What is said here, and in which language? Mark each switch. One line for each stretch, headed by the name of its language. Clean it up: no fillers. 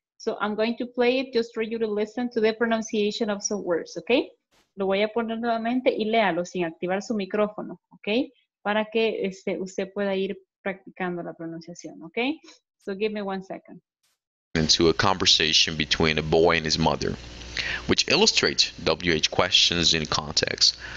English: So I'm going to play it just for you to listen to the pronunciation of some words, okay?
Spanish: Lo voy a poner nuevamente y léalo sin activar su micrófono, okay? Para que usted pueda ir practicando la pronunciación, okay?
English: So give me 1 second. Into a conversation between a boy and his mother, which illustrates WH questions in context.